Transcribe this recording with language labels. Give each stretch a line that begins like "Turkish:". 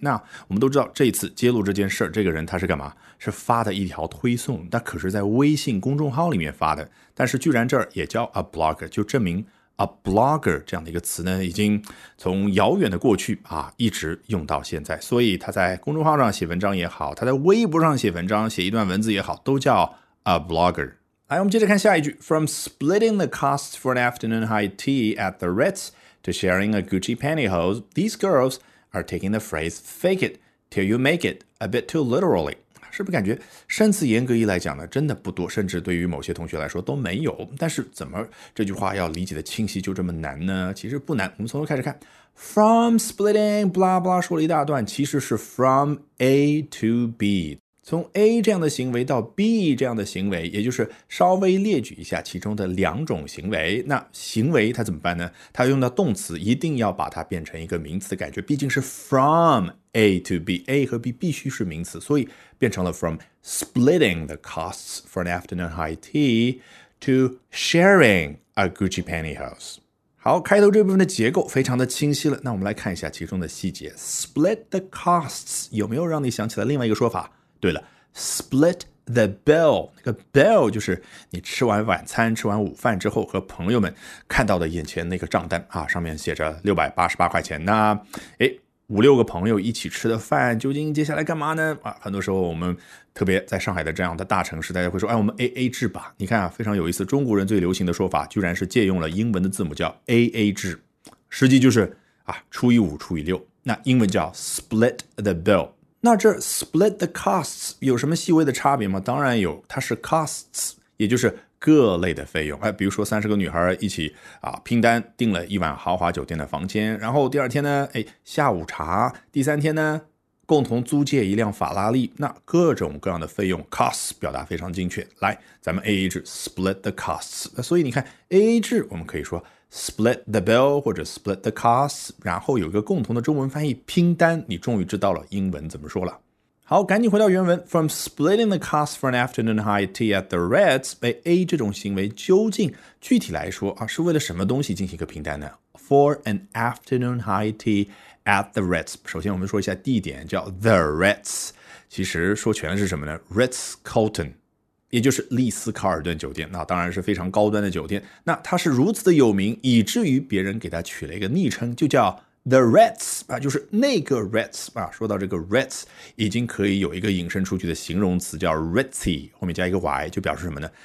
Chinese: 那我们都知道这一次揭露这件事，这个人他是干嘛？是发的一条推送，那可是在微信公众号里面发的，但是居然这儿也叫 a blogger, 就证明A blogger 这样的一个词呢，已经从遥远的过去啊，一直用到现在。所以他在公众号上写文章也好，他在微博上写文章，写一段文字也好，都叫 a blogger。来，我们接着看下一句。
English: From splitting the costs for an afternoon high tea at the Ritz to sharing a Gucci pantyhose, these girls are taking the phrase fake it till you make it a bit too literally.
Chinese: 是不是感觉生词严格一来讲呢，真的不多，甚至对于某些同学来说都没有。但是怎么这句话要理解的清晰就这么难呢？其实不难，我们从头开始看。
English: From splitting, blah blah,
Chinese: 说了一大段，其实是
English: from A to B,
Chinese: 从 A 这样的行为到 B 这样的行为，也就是稍微列举一下其中的两种行为。那行为它怎么办呢？它用到动词，一定要把它变成一个名词的感觉，毕竟是
English: from A to B,
Chinese: A 和 B 必须是名词，所以变成了
English: from splitting the costs for an afternoon high tea to sharing a Gucci pantyhose。
Chinese: 好，开头这部分的结构非常的清晰了，那我们来看一下其中的细节。 split the costs 有没有让你想起来另外一个说法？对了， split the bill, 那个 bill 就是你吃完晚餐吃完午饭之后和朋友们看到的眼前那个账单啊，上面写着688块钱。那诶，五六个朋友一起吃的饭究竟接下来干嘛呢？啊，很多时候我们特别在上海的这样的大城市，大家会说，哎，我们 AA 制吧。你看啊，非常有意思，中国人最流行的说法居然是借用了英文的字母叫 AA 制，实际就是啊，除以五除以六，那英文叫 split the bill。那这 split the costs 有什么细微的差别吗？当然有，它是 costs, 也就是各类的费用。比如说30个女孩一起啊拼单订了一晚豪华酒店的房间，然后第二天呢，哎，下午茶，第三天呢共同租借一辆法拉利，那各种各样的费用 costs 表达非常精确。来，咱们 AA 制 split the costs。所以你看 AA 制我们可以说
English: split the bill
Chinese: 或者 split the costs， 然后有一个共同的中文翻译拼单，你终于知道了英文怎么说了。好，赶紧回到原文。
English: From splitting the cost for an afternoon high tea at the Reds，
Chinese: 被 A 这种行为究竟具体来说啊，是为了什么东西进行一个拼单呢？
English: For an afternoon high tea at the Reds，
Chinese: 首先我们说一下地点，叫 The Reds， 其实说全是什么呢？ Ritz Carlton， 也就是丽思卡尔顿酒店，那当然是非常高端的酒店。那它是如此的有名，以至于别人给它取了一个昵称，就叫The Reds， 啊，就是那个 Reds，啊，说到这个 Reds， 已经可以有一个引申出去的形容词叫 Ritzy， 后面加一个 Y， 就表示什么呢？